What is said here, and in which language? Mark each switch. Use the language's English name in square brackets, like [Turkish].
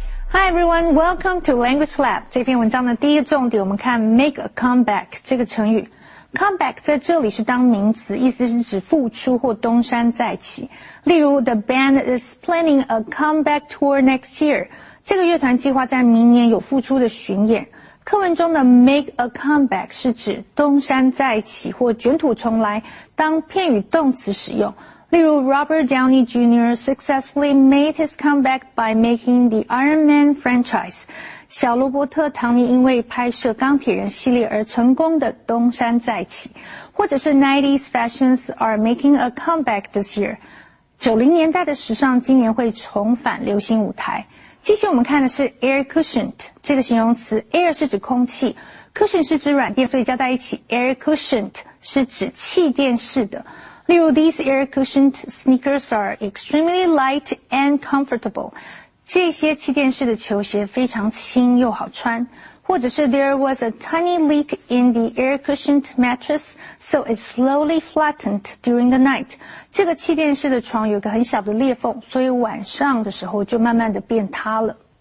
[English] Hi everyone, welcome to Language Lab. [Chinese] 这篇文章的第一个重点，我们看 make a comeback 这个成语。 Comeback 在这里是当名词，意思是指复出或东山再起。例如 [English] ,the band is planning a comeback tour next year. [Chinese] 这个乐团计划在明年有复出的巡演。课文中的 make a comeback 是指东山再起或卷土重来，当片语动词使用。例如 [English] ,Robert Downey Jr. successfully made his comeback by making the Iron Man franchise. [Chinese] 小罗伯特·唐尼因为拍摄钢铁人系列而成功的东山再起，或者是 [English] 90s fashions are making a comeback this year. [Chinese] 90年代的时尚今年会重返流行舞台。继续我们看的是 air cushioned 这个形容词， air 是指空气， cushion 是指软垫，所以加在一起 air cushioned 是指气垫式的。例如 [English] these air cushioned sneakers are extremely light and comfortable. [Chinese] 这些气垫式的球鞋非常轻又好穿，或者是 [English] There was a tiny leak in the air cushioned mattress, so it slowly flattened during the night. [Chinese] 这个气垫式的床有个很小的裂缝，所以晚上的时候就慢慢的变塌了。